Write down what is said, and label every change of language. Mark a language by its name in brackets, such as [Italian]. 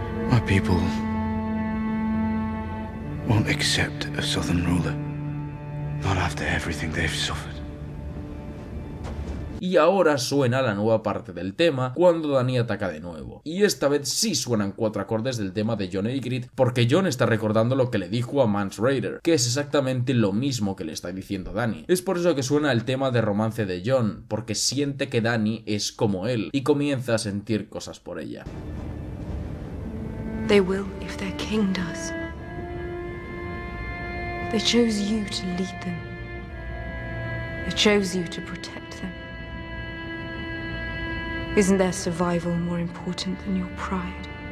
[English] My people won't accept a southern ruler, not after everything they've suffered. [Spanish] Y ahora suena la nueva parte del tema cuando Danny ataca de nuevo. Y esta vez sí suenan cuatro acordes del tema de John Aigrid porque John está recordando lo que le dijo a Mance Rayder, que es exactamente lo mismo que le está diciendo Danny. Es por eso que suena el tema de romance de John, porque siente que Danny es como él y comienza a sentir cosas por ella. [English] They will if their king does. They chose you to lead them. They chose you to protect them. Isn't their survival more important than your pride?